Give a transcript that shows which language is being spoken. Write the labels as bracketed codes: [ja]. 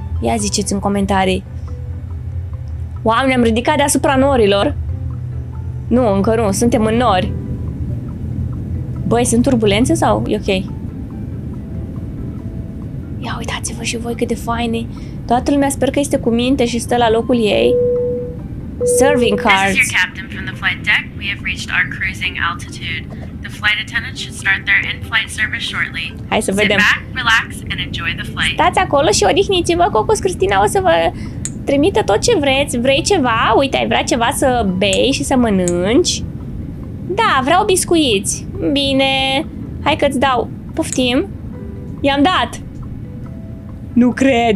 [ro] Ia ziceți în comentarii. Oameni, am ridicat deasupra norilor. Nu, încă nu, suntem în nori. Băi, sunt turbulențe sau e ok? Ia uitați-vă și voi cât de faine. Toată lumea sper că este cu minte și stă la locul ei. [en] Serving cards. This is your captain from the flight deck. We have reached our cruising altitude. The flight attendants should start their in-flight service shortly. [ro] Hai să vedem. [en] Sit back, relax and enjoy the flight. [ro] Stați acolo și odihniți-vă. Cocos Cristina o să vă trimită tot ce vreți. Vrei ceva? Uite, ai vrea ceva să bei și să mănânci? Da, vreau biscuiți. Bine. Hai că-ți dau. Poftim. I-am dat. Nu cred.